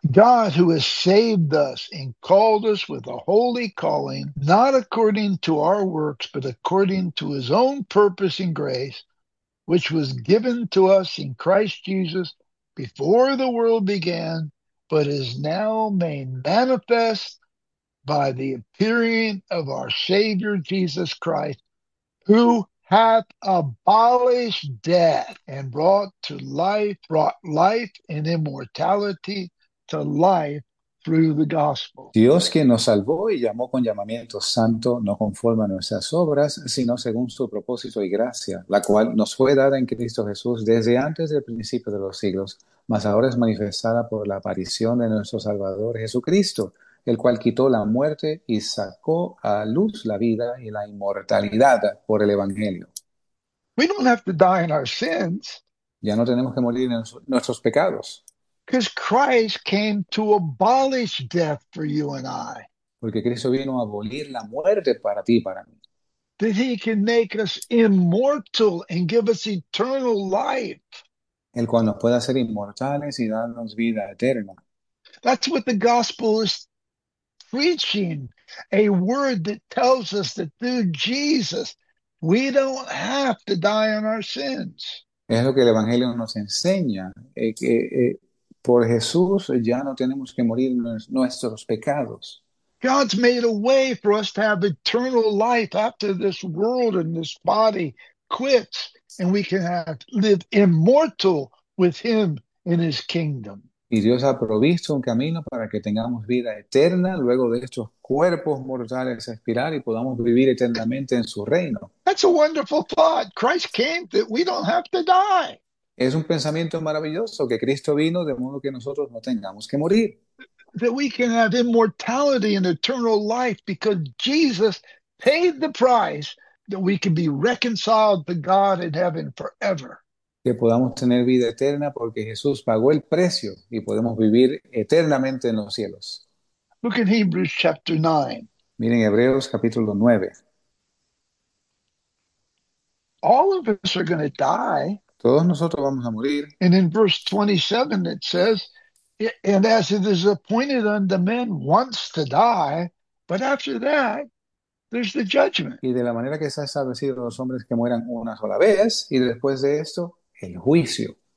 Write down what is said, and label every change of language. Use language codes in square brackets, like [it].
[en] God, who has saved us and called us with a holy calling, not according to our works, but according to his own purpose and grace, which was given to us in Christ Jesus before the world began, but is now made manifest by the appearing of our Savior Jesus Christ, who hath abolished death and brought life and immortality to life through the gospel. [es] Dios, quien nos salvó y llamó con llamamiento santo, no conforme a nuestras obras, sino según su propósito y gracia, la cual nos fue dada en Cristo Jesús desde antes del principio de los siglos, mas ahora es manifestada por la aparición de nuestro Salvador Jesucristo, el cual quitó la muerte y sacó a luz la vida y la inmortalidad por el Evangelio. [en] We don't have to die in our sins. [es] Ya no tenemos que morir en nuestros pecados. [en] Because Christ came to abolish death for you and I. [es] Porque Cristo vino a abolir la muerte para ti y para mí. [en] That he can make us immortal and give us eternal life. [es] El cual nos puede hacer inmortales y darnos vida eterna. [en] That's what the gospel is preaching, a word that tells us that through Jesus, we don't have to die on our sins. [es] Es lo que el Evangelio nos enseña, por Jesús ya no tenemos que morir nuestros pecados. [en] God's made a way for us to have eternal life after this world and this body quits, and we can live immortal with him in his kingdom. [es] Y Dios ha provisto un camino para que tengamos vida eterna luego de estos cuerpos mortales expirar y podamos vivir eternamente en su reino. [en] That's a wonderful thought. Christ came that we don't have to die. [es] Es un pensamiento maravilloso que Cristo vino de modo que nosotros no tengamos que morir. [en] That we can have immortality and eternal life because Jesus paid the price that we can be reconciled to God in heaven forever. [es] Que podamos tener vida eterna porque Jesús pagó el precio y podemos vivir eternamente en los cielos. [en] Look in Hebrews chapter 9. [es] Miren Hebreos capítulo 9. [en] All of us are going to die. [es] Todos nosotros vamos a morir. [en] And in verse 27 it says, and as it is appointed unto men once to die, but after that, there's the judgment. [es] Y de la manera que se ha establecido los hombres que mueran una sola vez, y después de esto, el juicio.